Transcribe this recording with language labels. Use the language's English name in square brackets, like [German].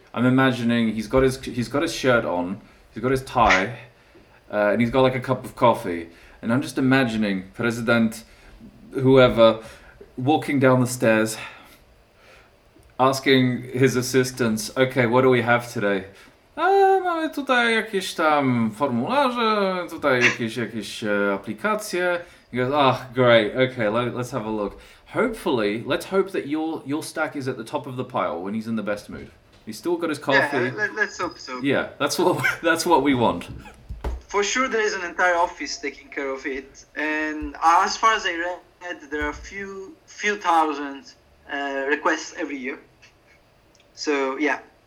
[English] I'm imagining he's got his shirt on, he's got his tie, and he's got a cup of coffee. And I'm just imagining President, whoever, walking down the stairs, asking his assistants, okay, what do we have today? [Polish] Mamy tutaj jakieś tam formularze, tutaj jakieś aplikacje. [English] He goes, great, okay, let's have a look. Hopefully, let's hope that your stack is at the top of the pile when he's in the best mood. He's still got his coffee. Yeah, let's hope so. Yeah, that's what we want. For sure, there is an entire office taking care of it. And as far as I read, there are a few thousand requests every year. So, yeah.